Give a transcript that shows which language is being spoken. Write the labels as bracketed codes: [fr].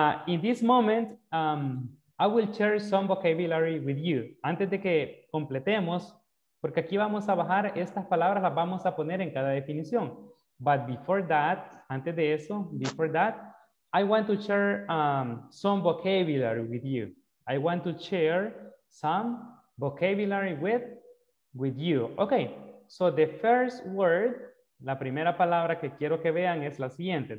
[en] In this moment, I will share some vocabulary with you. [es] Antes de que completemos, porque aquí vamos a bajar estas palabras, las vamos a poner en cada definición. [en] But before that, [es] antes de eso, [en] before that, I want to share some vocabulary with you. I want to share some vocabulary with you. Okay, so the first word, [es] la primera palabra que quiero que vean es la siguiente.